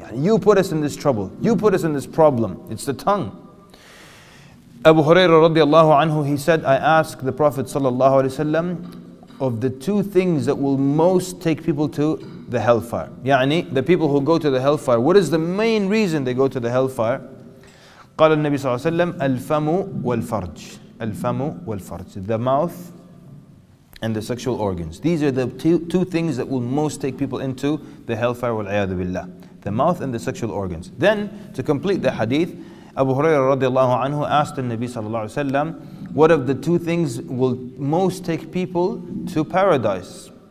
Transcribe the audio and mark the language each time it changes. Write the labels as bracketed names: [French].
[English] You put us in this trouble. You put us in this problem. It's the tongue. Abu Huraira radiallahu anhu, he said, I asked the Prophet Sallallahu Alaihi Wasallam, of the two things that will most take people to the hellfire. يعني, the people who go to the hellfire, what is the main reason they go to the hellfire? [Arabic] قال النبي صلى الله عليه وسلم الفم والفرج. الفم والفرج. [English] The mouth and the sexual organs. These are the two things that will most take people into the hellfire [Arabic] والعياذ بالله. [English] The mouth and the sexual organs. Then, to complete the hadith, Abu Hurairah radiallahu anhu asked the Nabi sallallahu alayhi wa sallam, what of the two things will most take people to paradise?